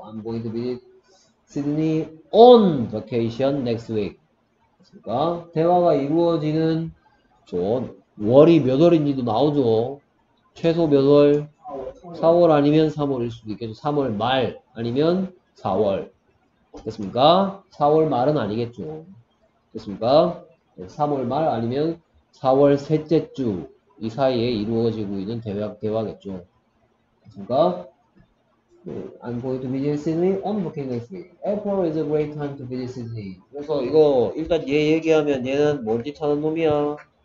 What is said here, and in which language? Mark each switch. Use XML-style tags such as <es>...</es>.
<en>I'm going to visit Sydney on vacation next week.</en> <ko>그러니까 대화가 이루어지는 좋은 월이 몇 월인지도 나오죠. 최소 몇 월? 4월 아니면 3월일 수도 있겠죠. 3월 말 아니면 4월. 됐습니까? 4월 말은 아니겠죠. 됐습니까? 3월 말 아니면 4월 셋째 주이 사이에 이루어지고 있는 대화겠죠. 됐습니까?</ko> <en>I'm going to visit Sydney on vacation next week. April is a great time to visit Sydney.</en> <ko>그래서 이거 일단 얘 얘기하면 얘는 뭔짓 하는 놈이야.</ko>